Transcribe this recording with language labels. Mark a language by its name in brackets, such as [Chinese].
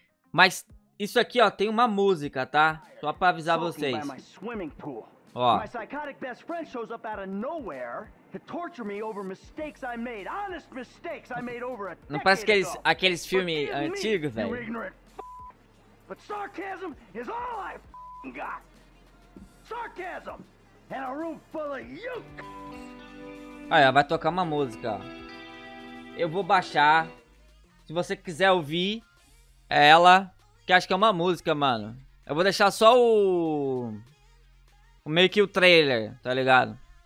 [Portuguese] Mas isso aqui, ó, tem uma música, tá? Só pra avisar vocês. Ó. [English] My psychotic best friend shows up out of nowhere to torture me over mistakes I made, honest mistakes I made over a decade ago. [Portuguese] Não parece aqueles filmes antigos, velho? [English] But sarcasm is all I f***ing got. Sarcasm and a room full of you. [Portuguese] Aí, ó, vai tocar uma música. Eu vou baixar. Se você quiser ouvir, é ela. Que acho que é uma música, mano. Eu vou deixar só o meio que o trailer, tá ligado?